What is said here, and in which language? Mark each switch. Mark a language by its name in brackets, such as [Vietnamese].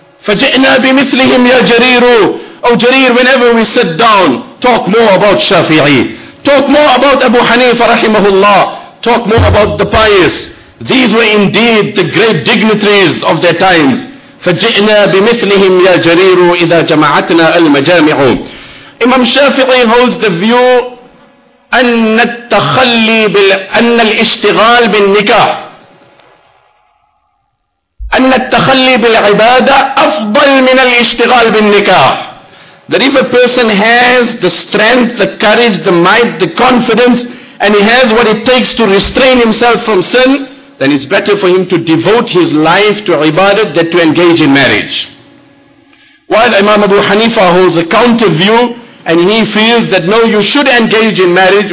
[Arabic] فَجِئْنَا بِمِثْلِهِمْ يَا جَرِيرُ. [English] Oh Jarir, whenever we sit down, talk more about Shafi'i. Talk more about Abu Hanifa rahimahullah. Talk more about the pious. These were indeed the great dignitaries of their times. [Arabic] فَجِئْنَا بِمِثْلِهِمْ يَا جَرِيرُ إِذَا جَمَعَتْنَا الْمَجَامِعُ. [English] Imam Shafi'i holds the view [Arabic] أن التخلي بال أن الاشتغال بالنكاح أن التخلي بالعبادة أفضل من الاشتغال بالنكاح. [English] That if a person has the strength, the courage, the might, the confidence, and he has what it takes to restrain himself from sin, then it's better for him to devote his life to ibadah than to engage in marriage. While Imam Abu Hanifa holds a counter view, and he feels that no, you should engage in marriage.